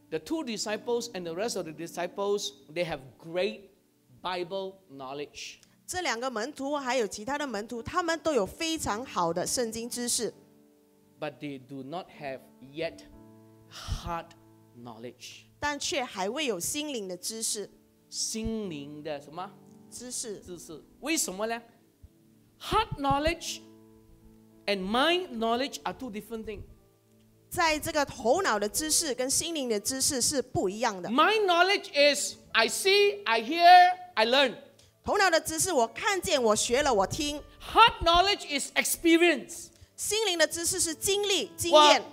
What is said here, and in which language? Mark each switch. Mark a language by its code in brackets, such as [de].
[en] The two disciples and the rest of the disciples, they have great Bible knowledge. [zh] 这两个门徒还有其他的门徒，他们都有非常好的圣经知识。 [en] But they do not have yet heart knowledge. [zh] 但却还未有心灵的知识。心灵的什么？知识。知识。为什么呢？ [en] Heart knowledge and mind knowledge are two different things. [zh] 在这个头脑的知识跟心灵的知识是不一样的。 [en] My knowledge is I see, I hear, I learn. [zh] 头脑的知识我看见，我学了，我听。 [en] Heart knowledge is experience. [zh] 心灵的知识是经历、经验。